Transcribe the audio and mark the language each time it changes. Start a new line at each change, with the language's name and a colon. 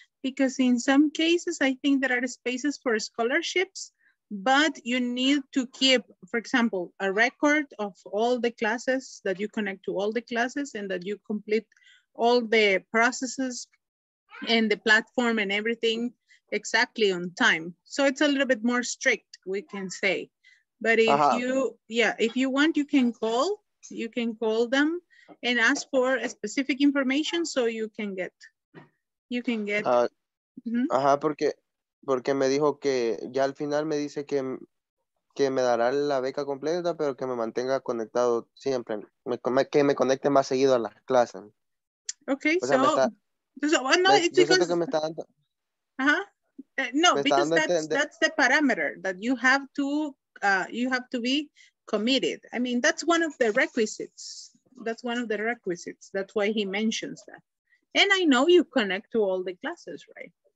English: Because in some cases, I think there are spaces for scholarships, but you need to keep, for example, a record of all the classes that you connect to all the classes and that you complete all the processes and the platform and everything exactly on time. So it's a little bit more strict, we can say. But if you want, you can call them and ask for specific information so you can get. You can get.
Spanish: Ajá, porque, porque me dijo que ya al final me dice que, que me dará la beca completa, pero que me mantenga conectado siempre, que me conecte más seguido a las clases.
English: Okay,
Spanish: o sea,
English: so, that's the parameter that you have to be committed. I mean, that's one of the requisites. That's one of the requisites. That's why he mentions that. And I know you connect to all the classes, right?